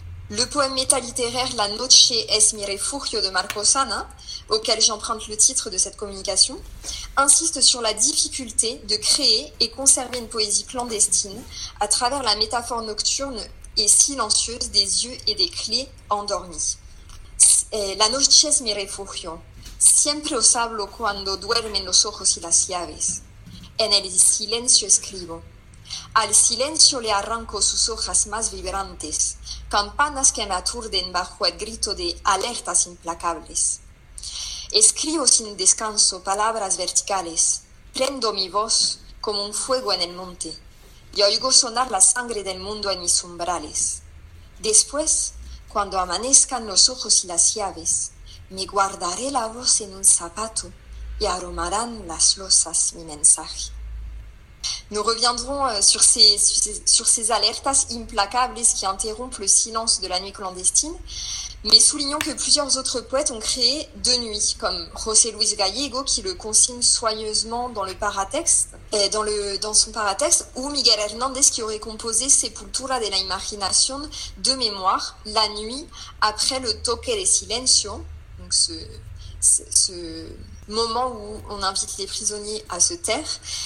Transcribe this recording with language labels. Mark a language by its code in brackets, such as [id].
[fr] Le poème métalittéraire « La noche es mi refugio » de Marco Sana, auquel j'emprunte le titre de cette communication, insiste sur la difficulté de créer et conserver une poésie clandestine à travers la métaphore nocturne et silencieuse des yeux et des clés endormis. [es] « La noche es mi refugio, siempre os hablo cuando duermen los ojos y las llaves. En el silencio escribo. Al silencio le arranco sus hojas más vibrantes, campanas que me aturden bajo el grito de alertas implacables. Escribo sin descanso palabras verticales, prendo mi voz como un fuego en el monte, y oigo sonar la sangre del mundo en mis umbrales. Después, cuando amanezcan los ojos y las llaves, me guardaré la voz en un zapato y aromarán las losas mi mensaje. [fr] Nous reviendrons sur ces alertas implacables qui interrompent le silence de la nuit clandestine, mais soulignons que plusieurs autres poètes ont créé de nuit, comme José Luis Gallego qui le consigne soigneusement dans le paratexte, dans son paratexte, ou Miguel Hernández qui aurait composé Sepultura de la Imaginación de mémoire, la nuit, après le toque de silencio, donc ce moment où on invite les prisonniers à se taire.